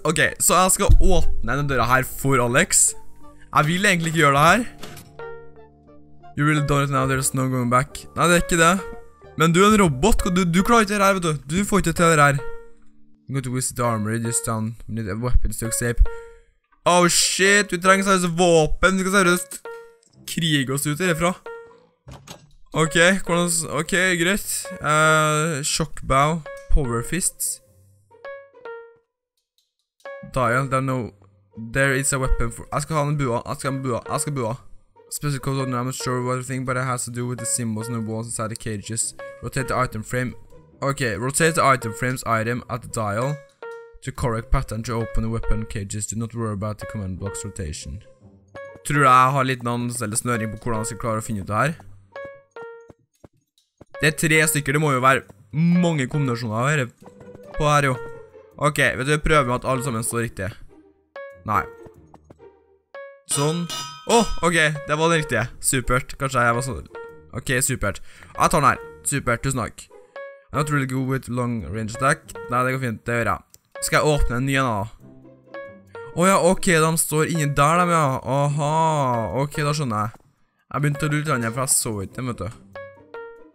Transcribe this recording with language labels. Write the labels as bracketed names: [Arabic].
[Norwegian] Ok, så jeg skal åpne den døra her for Alex. Jeg vil egentlig ikke gjøre det her. [English] You really don't know, there's no going back. [Norwegian] Nei, det er ikke det. Men du er en robot, du klarer ikke det her, vet du. Du får ikke til det her. [English] I'm going to visit the armory, just down. We need a weapon to escape. [Norwegian] Oh shit, vi trenger seriøst våpen, vi skal seriøst krig oss ut herifra. Ok, hvordan... Ok, greit. Shock bow. Power fists. [English] Dial, there no... There is a weapon for... [Norwegian] Jeg skal ha den bua, jeg skal bua. [English] Special code order, I'm not sure what I think, but it has to do with the symbols on the walls inside the cages. Rotate the item frame. Ok, rotate the item frame's item at the dial to correct pattern to open the weapon cages. Do not worry about the command block's rotation. [Norwegian] Tror jeg har litt noen selv snøring på hvordan jeg skal klare å finne ut det her. Det er 3 stykker, det må jo være mange kombinasjoner av dere på her jo. Ok, vet du, vi prøver med at alle sammen står riktig. Nei. Sånn. Åh, ok, det var den riktige. Supert, kanskje jeg var sånn. Ok, supert. Jeg tar den her. Supert, tusen takk. [English] I'm not really good with long range attack. [Norwegian] Nei, det går fint, det gjør jeg. Skal jeg åpne en ny en da? Åja, ok, de står inne der de, ja. Aha, ok, da skjønner jeg. Jeg begynte å lute den igjen, for jeg så ikke den, vet du.